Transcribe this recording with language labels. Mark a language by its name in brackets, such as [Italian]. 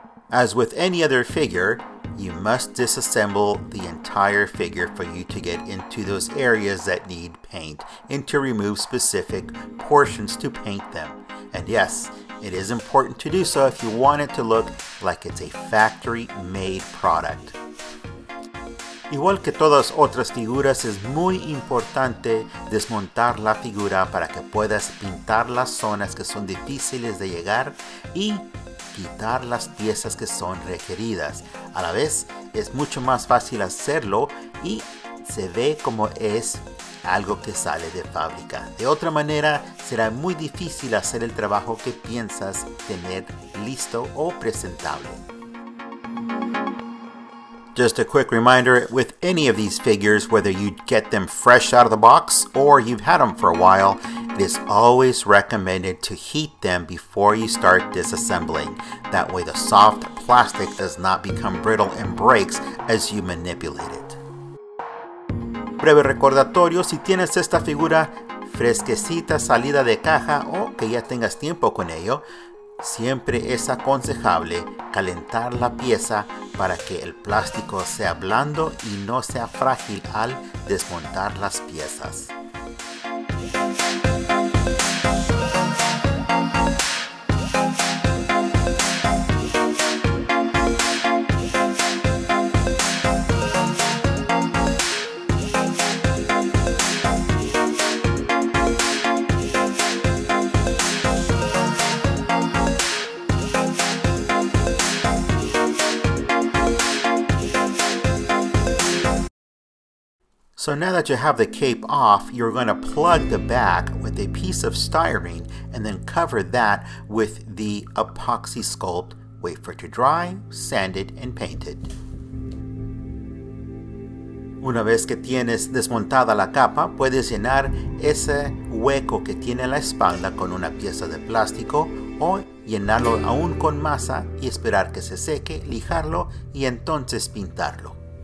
[English] As with any other figure, you must disassemble the entire figure for you to get into those areas that need paint and to remove specific portions to paint them. And yes, it is important to do so if you want it to look like it's a factory-made product. [Spanish] Igual que todas otras figuras, es muy importante desmontar la figura para que puedas pintar las zonas que son difíciles de llegar y quitar las piezas que son requeridas. A la vez, es mucho más fácil hacerlo y se ve como es algo que sale de fábrica. De otra manera, será muy difícil hacer el trabajo que piensas tener listo o presentable. [English] Just a quick reminder, with any of these figures, whether you get them fresh out of the box or you've had them for a while, it is always recommended to heat them before you start disassembling. That way the soft plastic does not become brittle and breaks as you manipulate it. [Spanish] Breve recordatorio, si tienes esta figura fresquecita salida de caja o que ya tengas tiempo con ello, siempre es aconsejable calentar la pieza para que el plástico sea blando y no sea frágil al desmontar las piezas. [English] So now that you have the cape off, you're going to plug the back with a piece of styrene and then cover that with the epoxy sculpt, wait for it to dry, sand it, and paint it. [Spanish] Una vez que tienes desmontada la capa, puedes llenar ese hueco que tiene la espalda con una pieza de plástico o llenarlo aún con masa y esperar que se seque, lijarlo y entonces pintarlo.